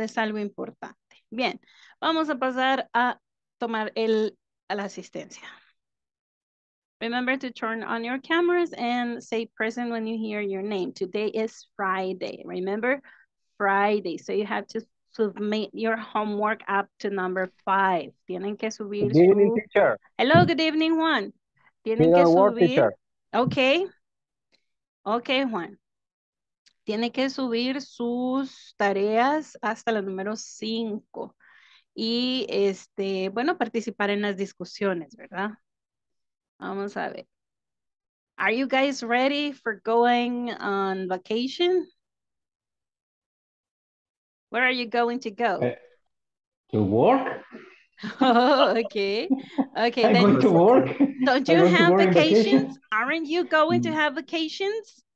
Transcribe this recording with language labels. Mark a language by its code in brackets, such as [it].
[es] Es algo importante. Bien, vamos a pasar a tomar a la asistencia. [en] Remember to turn on your cameras and say present when you hear your name. Today is Friday. Remember, Friday. So you have to submit your homework up to number 5. [es] Tienen que subir. [en] Good evening, teacher. Hello, good evening, Juan. [es] Tienen [en] good [es] que [en] work, [es] subir. [en] Teacher. Okay. Okay, Juan. [es] Tiene que subir sus tareas hasta la número 5 y, bueno, participar en las discusiones, ¿verdad? Vamos a ver. [en] Are you guys ready for going on vacation? Where are you going to go? To work. Okay. I'm going to work. Don't you have vacations? Aren't you going to have vacations?